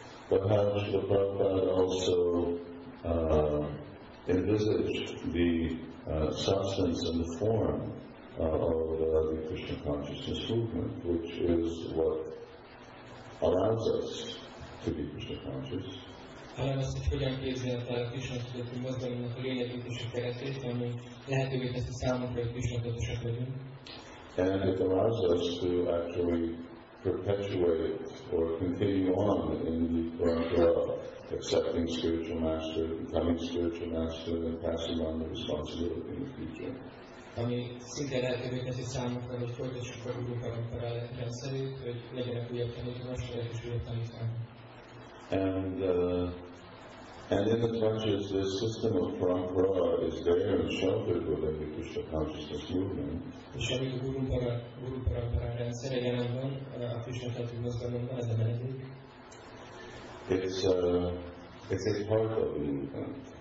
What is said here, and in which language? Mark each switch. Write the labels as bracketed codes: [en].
[en] But how Srila Prabhupada also envisaged the substance and the form of the Krishna consciousness movement, which is what allows us to be Krishna conscious. [hu] Hanem azt, hogy hogyan képzelt a Krishna tudatú mozgalomnak a lényegét és a keretét, ami lehetővé teszi számunkra, hogy Krishna tudatosak legyünk. [en] And it allows us to actually perpetuate or continue on in the parampara of accepting spiritual master, becoming spiritual master, and passing on the responsibility in the future. [hu] Ami szinte lehetővé teszi számunkra, hogy folytassuk a Guru parampara rendszerét, hogy legyenek újabb tanítók, és újabb tanítók. [en] And in as much as this system of parampara is there and sheltered within the Krishna consciousness movement, it's a part of the movement.